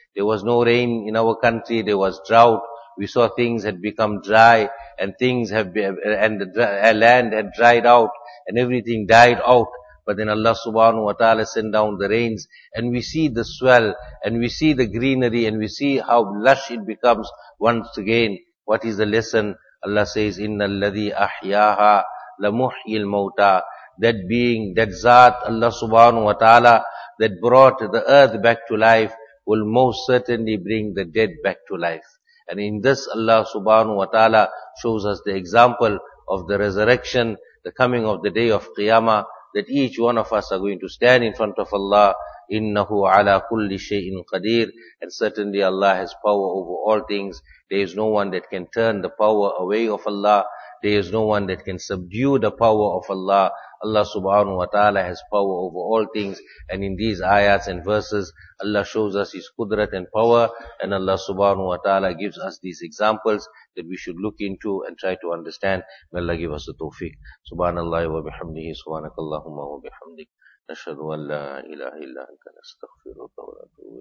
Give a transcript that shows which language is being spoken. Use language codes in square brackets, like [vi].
[en] There was no rain in our country, there was drought. We saw things had become dry, and things have been, and the land had dried out, and everything died out. But then Allah subhanahu wa ta'ala sent down the rains, and we see the swell, and we see the greenery, and we see how lush it becomes once again. What is the lesson? Allah says, [ar] إِنَّ الَّذِي أَحْيَاهَا لَمُحْيِي الْمَوْتَى. [en] That being, that Zat, Allah subhanahu wa ta'ala, that brought the earth back to life, will most certainly bring the dead back to life. And in this, Allah subhanahu wa ta'ala shows us the example of the resurrection, the coming of the day of Qiyamah, that each one of us are going to stand in front of Allah, [ar] إِنَّهُ عَلَى كُلِّ شَيْءٍ قَدِيرٍ. [en] And certainly Allah has power over all things. There is no one that can turn the power away of Allah. There is no one that can subdue the power of Allah. Allah subhanahu wa ta'ala has power over all things. And in these ayats and verses, Allah shows us His qudrat and power. And Allah subhanahu wa ta'ala gives us these examples that we should look into and try to understand. May Allah give us the tawfiq. [ar] Subhanallah wa bihamdihi, subhanakallahumma wa bihamdik. نشهد أن لا إله إلا أنت نستغفرك ونتوب إليك.